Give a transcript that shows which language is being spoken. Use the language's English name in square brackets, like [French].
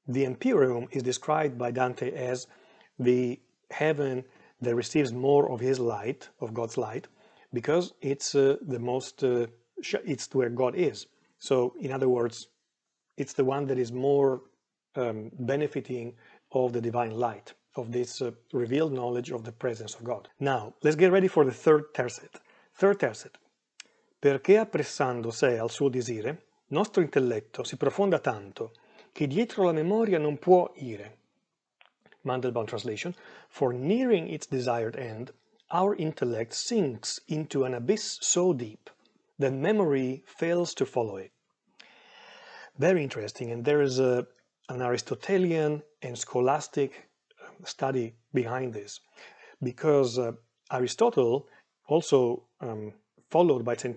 [English] The Empyrean is described by Dante as the heaven that receives more of his light, of God's light, because it's the most, it's where God is. So, in other words, it's the one that is more benefiting of the divine light, of this revealed knowledge of the presence of God. Now, let's get ready for the third tercet. Third tercet. [Italian] Perché appressando sé al suo desire, nostro intelletto si profonda tanto, che dietro la memoria non può ire. [English] Mandelbaum translation. For nearing its desired end, our intellect sinks into an abyss so deep that memory fails to follow it. Very interesting, and there is an Aristotelian and scholastic study behind this, because Aristotle, also followed by St.